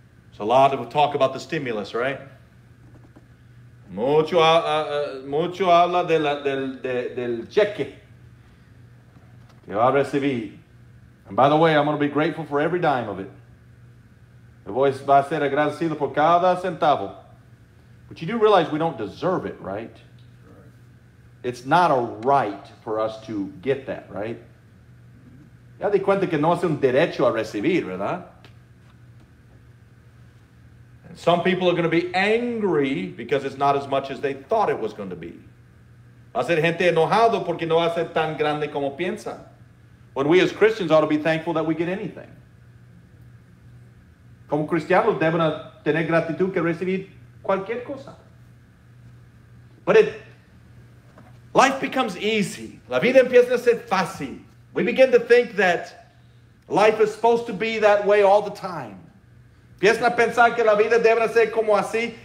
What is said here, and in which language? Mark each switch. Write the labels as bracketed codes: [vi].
[en] It's a lot of talk about the stimulus, right? [es] Mucho habla del cheque. [en] I'll receive. And by the way, I'm going to be grateful for every dime of it. The voice [es] va a ser agradecido por cada centavo. [en] But you do realize we don't deserve it, right? It's not a right for us to get that, right? [es] Ya di cuenta que no es un derecho a recibir, ¿verdad? [en] And some people are going to be angry because it's not as much as they thought it was going to be. [es] Va a ser gente enojado porque no va a ser tan grande como piensa. [en] But we as Christians ought to be thankful that we get anything. [es] Como cristianos deben tener gratitud que recibir cualquier cosa. [en] But life becomes easy. [es] La vida empieza a ser fácil. [en] We begin to think that life is supposed to be that way all the time. [es] Empiezan a pensar que la vida debe ser como así.